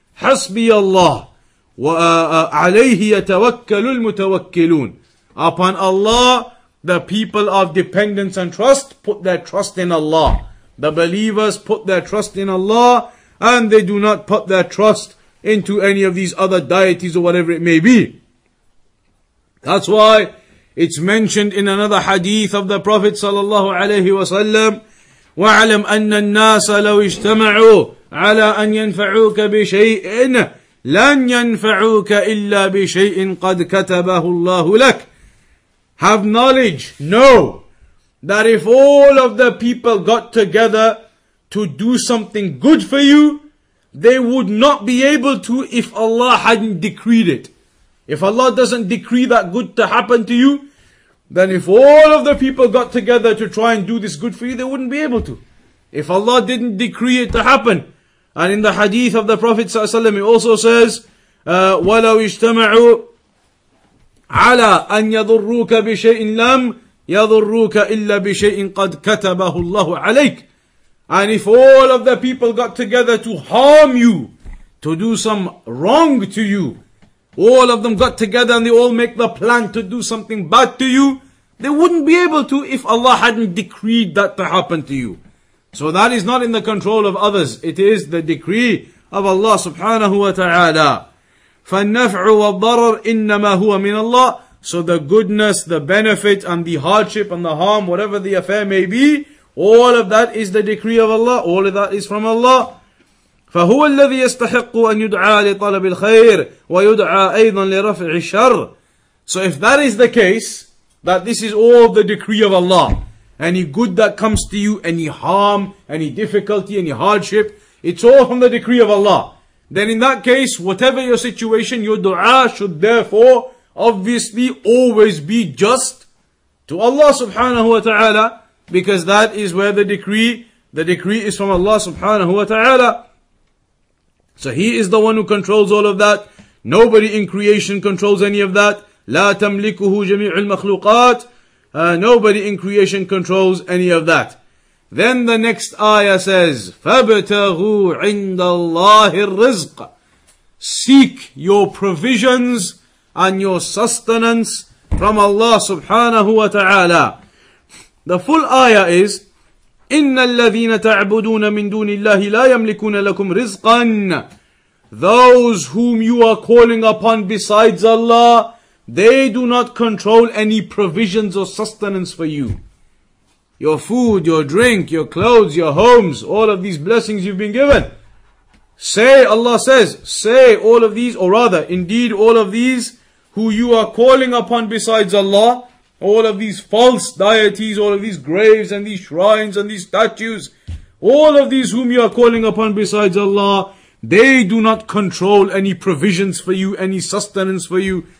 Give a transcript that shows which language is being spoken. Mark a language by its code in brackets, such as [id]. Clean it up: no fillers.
[ar] حَسْبِيَ اللَّهِ وَعَلَيْهِ يَتَوَكَّلُ الْمُتَوَكِّلُونَ. [en] Upon Allah, the people of dependence and trust put their trust in Allah. The believers put their trust in Allah, and they do not put their trust into any of these other deities or whatever it may be. That's why it's mentioned in another hadith of the Prophet sallallahu alayhi wa sallam, [ar] وَعَلَمْ أَنَّ النَّاسَ لَوْ اجْتَمَعُوا عَلَىٰ أَنْ يَنْفَعُوكَ بِشَيْءٍ لَنْ يَنْفَعُوكَ إِلَّا بِشَيْءٍ قَدْ كَتَبَهُ اللَّهُ لَكَ. [en] Have knowledge, know, that if all of the people got together to do something good for you, they would not be able to if Allah hadn't decreed it. If Allah doesn't decree that good to happen to you, then if all of the people got together to try and do this good for you, they wouldn't be able to. If Allah didn't decree it to happen. And in the hadith of the Prophet ﷺ, he also says, [ar] وَلَوْ اجْتَمَعُوا عَلَىٰ أَنْ يَضُرُّوكَ بِشَيْءٍ لَمْ يَضُرُّوكَ إِلَّا بِشَيْءٍ قَدْ كَتَبَهُ اللَّهُ عَلَيْكَ. [en] And if all of the people got together to harm you, to do some wrong to you, all of them got together and they all make the plan to do something bad to you, they wouldn't be able to if Allah hadn't decreed that to happen to you. So that is not in the control of others. It is the decree of Allah subhanahu wa ta'ala. [ar] فَالنَّفْعُ وَالضَّرَرُ إِنَّمَا هُوَ مِنَ اللَّهِ. [en] So the goodness, the benefit, and the hardship, and the harm, whatever the affair may be, all of that is the decree of Allah. All of that is from Allah. [ar] فهو الذي يستحق أن يدعى لطلب الخير ويدعى أيضا لرفع الشر. [en] So if that is the case, that this is all the decree of Allah, any good that comes to you, any harm, any difficulty, any hardship, it's all from the decree of Allah, then in that case, whatever your situation, your dua should therefore obviously always be just to Allah subhanahu wa ta'ala. because that is where the decree is from Allah subhanahu wa ta'ala. So he is the one who controls all of that. Nobody in creation controls any of that. [ar] لا تملكه جميع المخلوقات. [en] Nobody in creation controls any of that. Then the next ayah says, [ar] فَابْتَغُوا عِنْدَ اللَّهِ الرِّزْقَ. [en] Seek your provisions and your sustenance from Allah subhanahu wa ta'ala. The full ayah is, [ar] إِنَّ الَّذِينَ تَعْبُدُونَ مِن دُونِ اللَّهِ لَا يَمْلِكُونَ لَكُمْ رِزْقًا. [en] Those whom you are calling upon besides Allah, they do not control any provisions or sustenance for you. Your food, your drink, your clothes, your homes, all of these blessings you've been given. Say, Allah says, say all of these, or rather, indeed all of these who you are calling upon besides Allah, all of these false deities, all of these graves and these shrines and these statues, all of these whom you are calling upon besides Allah, they do not control any provisions for you, any sustenance for you.